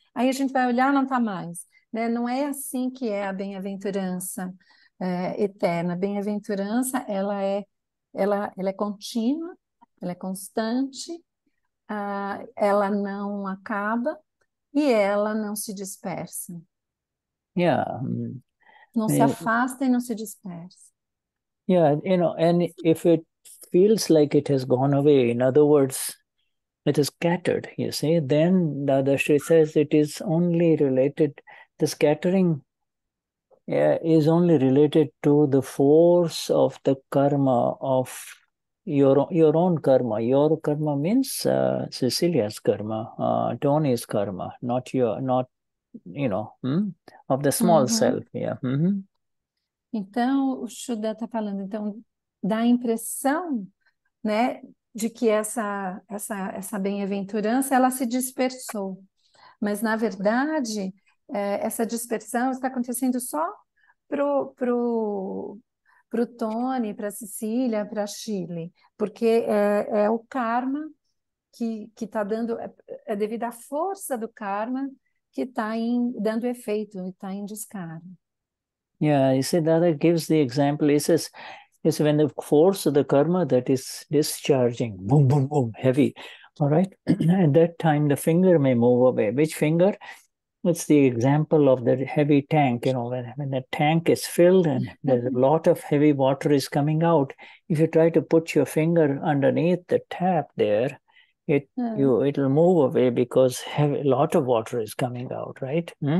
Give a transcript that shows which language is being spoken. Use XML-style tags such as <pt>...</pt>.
<pt>Aí a gente vai olhar, não está mais, né? Não é assim que é a bem-aventurança, eterna. Bem-aventurança, ela é contínua, ela é constante. Ela não acaba e ela não se dispersa. Não se afasta e não se dispersa.</pt> <en>And if it feels like it has gone away, in other words, it is scattered, you see, then Dadashri says it is only related, the scattering is only related to the force of the karma of your own karma. Your karma means Cecilia's karma, Tony's karma, of the small self,</en> <pt>Então, o Shuddha está falando, então, dá a impressão, né, de que essa bem-aventurança, ela se dispersou. Mas, na verdade, essa dispersão está acontecendo só pro Tony, para Cecília, para Shirley, porque é o karma que está dando, é devido à força do karma, que está dando efeito e está em descaro.</pt> <en>Yeah, you see, Dada gives the example. He says, it's when the force of the karma that is discharging, boom, boom, boom, heavy, all right? At that time, the finger may move away. Which finger? It's the example of the heavy tank. When the tank is filled and there's a lot of heavy water is coming out, if you try to put your finger underneath the tap there, it'll move away because a lot of water is coming out, right?</en>